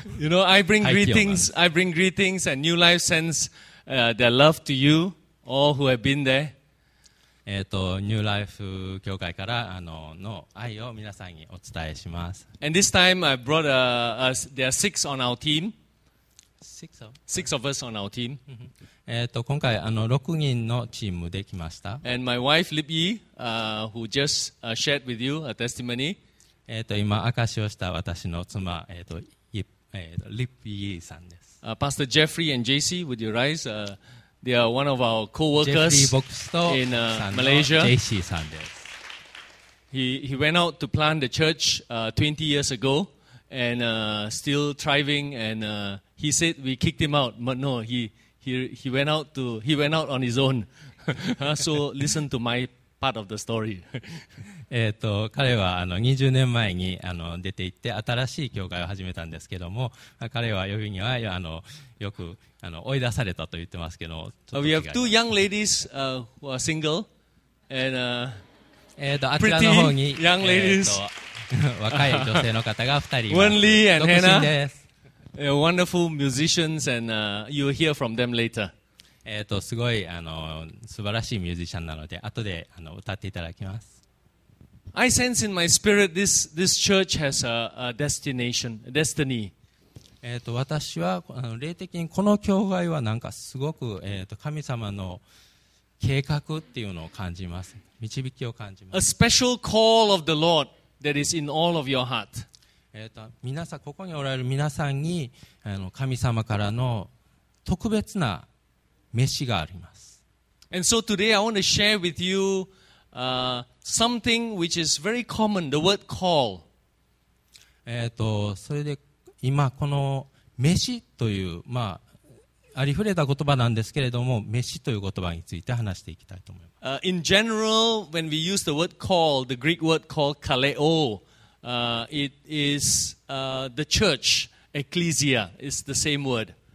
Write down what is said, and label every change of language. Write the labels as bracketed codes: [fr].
[en] You know, I bring greetings and New Life sends their love to you all who have been there. [ja] ニューライフ教会からの愛を皆さんにお伝えします。 [en] And this time I brought there are six on our team. Six of us on our team. [ja] 今回6人のチームで来ました。 [en] And my wife Lip Yi, who just shared with you a testimony. [ja] 今証しをした私の妻、Lip Yi さんです。 [en] Pastor Jeffrey and JC, would you rise? They are one of our co-workers in Malaysia. [ja] JC さんです。 [en] He went out to plant the church 20 years ago and still thriving. And he said we kicked him out, but no, he went out on his own. So listen to my part of the story. [ja] 彼は20年前に出て行って新しい教会を始めたんですけども、彼は呼びにはよく追い出されたと言ってますけど、ちょっと違います。 [en] We have two young ladies who are single and [ja] あちらの方に [en] young ladies. [ja] 若い女性の方が2人います。 [en] Wen Lee and Hannah. Wonderful musicians and you will hear from them later. [ja] すごい素晴らしいミュージシャンなので後で歌っていただきます。 [en] I sense in my spirit this church has a destination, destiny. [ja] 私は霊的にこの教会はなんかすごく神様の計画っていうのを感じます。導きを感じます。 [en] A special call of the Lord that is in all of your heart. [ja] 皆さんここにおられる皆さんに神様からの特別な召しがあります。 [en] And so today I want to share with you something which is very common, the word call. [ja] それで今この召しという、まあ、ありふれた言葉なんですけれども召しという言葉について話していきたいと思います。 [en] In general, when we use the word call, the Greek word called kaleo, it is the church, ecclesia, is the same word.